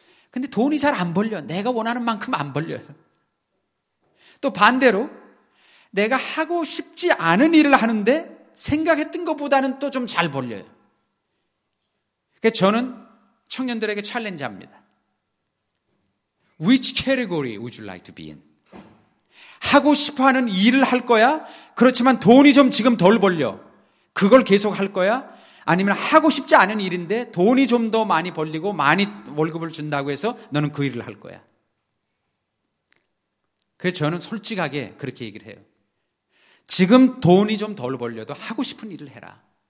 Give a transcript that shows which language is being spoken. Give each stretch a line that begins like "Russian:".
Korean: 근데 돈이 잘 안 벌려. 내가 원하는 만큼 안 벌려요. 또 반대로 내가 하고 싶지 않은 일을 하는데 생각했던 것보다는 또 좀 잘 벌려요. 그래서 저는 청년들에게 챌린지합니다.
English: Which category would you like to be in?
Korean: 하고 싶어하는 일을 할 거야? 그렇지만 돈이 좀 지금 덜 벌려. 그걸 계속 할 거야? 아니면 하고 싶지 않은 일인데 돈이 좀 더 많이 벌리고 많이 월급을 준다고 해서 너는 그 일을 할 거야. 그래서 저는 솔직하게 그렇게 얘기를 해요. 지금 돈이 좀 덜 벌려도 하고 싶은 일을 해라.